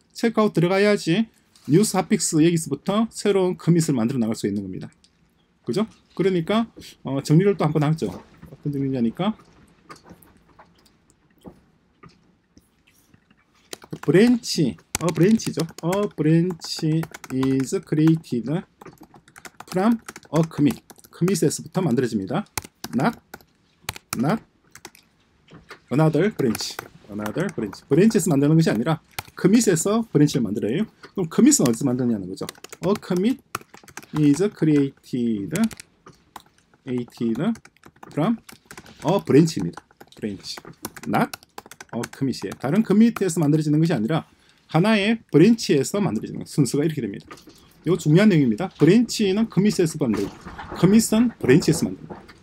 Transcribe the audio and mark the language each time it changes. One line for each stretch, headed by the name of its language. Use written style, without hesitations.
Korean: 체크아웃 들어가야지 뉴스 핫픽스 여기서부터 새로운 커밋을 만들어 나갈 수 있는 겁니다. 그죠? 그러니까 정리를 또 한번 하죠. 어떤 정리냐니까 브랜치, 브랜치죠.
English: 브랜치 is created from a commit.
Korean: 커밋에서부터 만들어집니다.
English: not another branch. another branch.
Korean: 브랜치에서 만드는 것이 아니라 커밋에서 브랜치를 만들어요. 그럼 커밋은 어디서 만드느냐는 거죠.
English: a commit is created from a branch입니다. branch. not a commit이에요.
Korean: 다른 커밋에서 만들어지는 것이 아니라 하나의 브랜치에서 만들어지는 것. 순서가 이렇게 됩니다. 이거 중요한 내용입니다. 브랜치는 커밋에서 만들고 커밋은 브랜치에서 만듭니다.